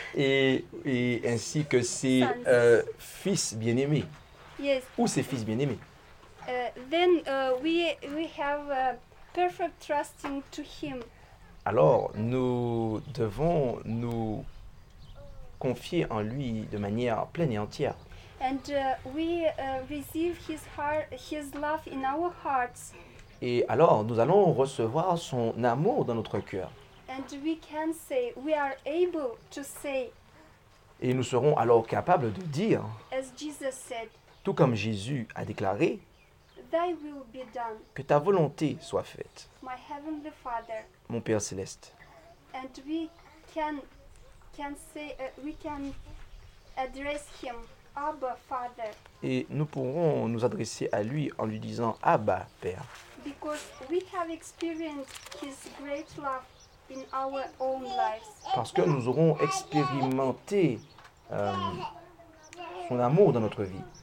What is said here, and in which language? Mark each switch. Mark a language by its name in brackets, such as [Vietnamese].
[French] Et ainsi que ses fils bien-aimés. [English] Yes. [French] Ou ses fils bien-aimés. [English] Then we have a perfect trusting to him. [French] Alors nous devons nous confier en lui de manière pleine et entière. [English] And we receive his heart, his love in our hearts. [French] Et alors nous allons recevoir son amour dans notre cœur. [English] And we can say, we are able to say. [French] Et nous serons alors capables de dire. [English] As Jesus said. [French] Tout comme Jésus a déclaré. [English] Thy will be done. [French] Que ta volonté soit faite. [English] My heavenly Father. [French] Mon Père céleste. [English] And we can say we can address him Abba Father. [French] Et nous pourrons nous adresser à lui en lui disant Abba Père. [English] Because we have experienced his great love in our own lives. [French] Parce que nous aurons expérimenté son amour dans notre vie.